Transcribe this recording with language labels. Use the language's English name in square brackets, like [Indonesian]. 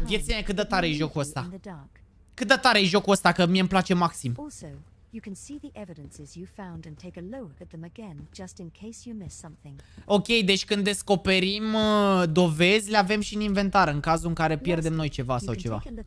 [Romanian] Vieți-ne cât de tare e jocul ăsta. Cât de tare e jocul ăsta, că mie îmi place maxim. [English] You can see the evidences you found and take a look at them again just in case you miss something. [Romanian] Ok, deci când descoperim dovezi, le avem și în inventar în cazul în care pierdem noi ceva sau ceva.